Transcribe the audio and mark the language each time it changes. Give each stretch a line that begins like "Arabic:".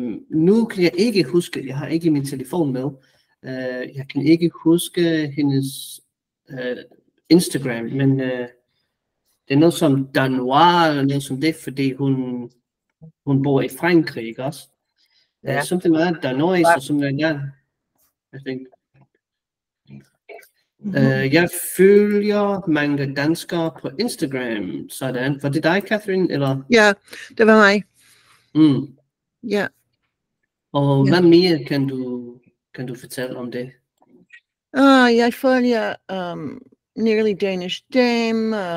Danish: Nu kan jeg ikke huske, jeg har ikke min telefon med. Jeg kan ikke huske hendes Instagram, men det er noget som Danois eller noget som det, fordi hun bor i Frankrig også.
English: Yeah. Something like that, Danois, or something like that, I think.
Danish: Jeg følger mange danskere på Instagram, sådan. Var det dig, Catherine, eller? Ja, det var mig. Ja. Og hvad mere kan du fortælle om det? Jeg følger Nearly Danish Dame.